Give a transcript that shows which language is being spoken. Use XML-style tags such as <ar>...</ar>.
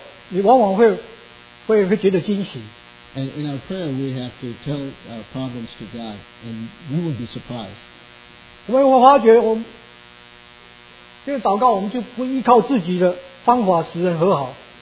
<zh>当我们把问题先告诉神，祷告的时候，你往往会觉得惊喜。</zh> <en>And in our prayer, we have to tell our problems to God, and we will be surprised.</en> <zh>我们会发觉，我们这个祷告，我们就不依靠自己的方法使人和好。</zh>